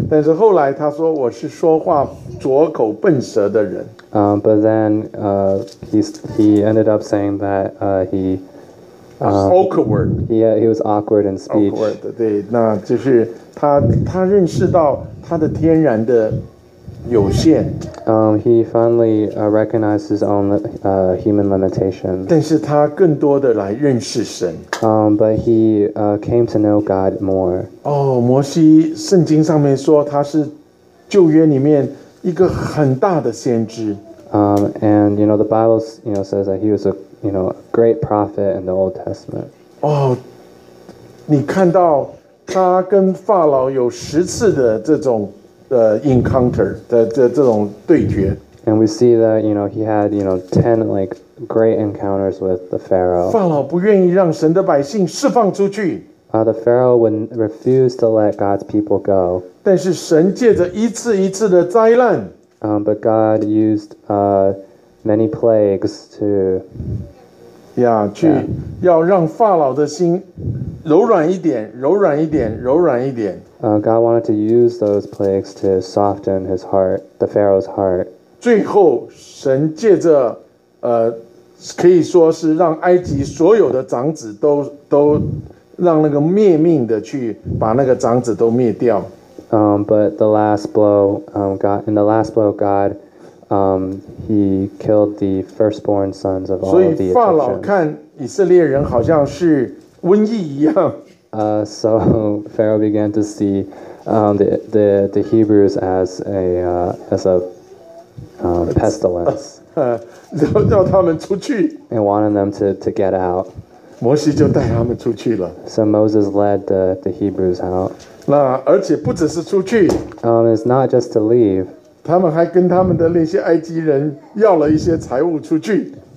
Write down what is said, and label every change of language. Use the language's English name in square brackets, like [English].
[Chinese] 但是后来他说我是说话拙口笨舌的人。 [English] But then he ended up saying that he awkward. Yeah, he was awkward in speech. Awkward. [Chinese] 对，那就是他认识到他的天然的有限。 [English] He finally recognized his own human limitation. [Chinese] 但是他更多的来认识神。 [English] But he came to know God more. [Chinese] 哦，摩西，圣经上面说他是旧约里面一个很大的先知。 [English] And you know the Bible, you know, says that he was a, you know, great prophet in the Old Testament. [Chinese] 哦，你看到他跟法老有十次的这种。 Encounter 的这种对决 [English] ，and we see that you know he had you know 10 like great encounters with the Pharaoh. [Chinese] 法老不愿意让神的百姓释放出去。 [English] The Pharaoh would refuse to let God's people go. [Chinese] 但是神借着一次一次的灾难 [English] ，but God used many plagues to. [Chinese] Yeah, 去 yeah. 要让法老的心柔软一点，柔软一点，柔软一点。 [English] God wanted to use those plagues to soften his heart, the Pharaoh's heart. [Chinese] 最后，神借着可以说是让埃及所有的长子都让那个灭命的去把那个长子都灭掉。 [English] But the last blow, God, he killed the firstborn sons of all the Egyptians. [Chinese] 所以法老看以色列人好像是瘟疫一样。 [English] So Pharaoh began to see the Hebrews as a pestilence. [Chinese] 叫他们出去。 [English] And wanted them to get out. [Chinese] 摩西就带他们出去了。 [English] So Moses led the Hebrews out. [Chinese] 那而且不只是出去。 [English] It's not just to leave. [Chinese] 他们还跟他们的那些埃及人要了一些财物出去。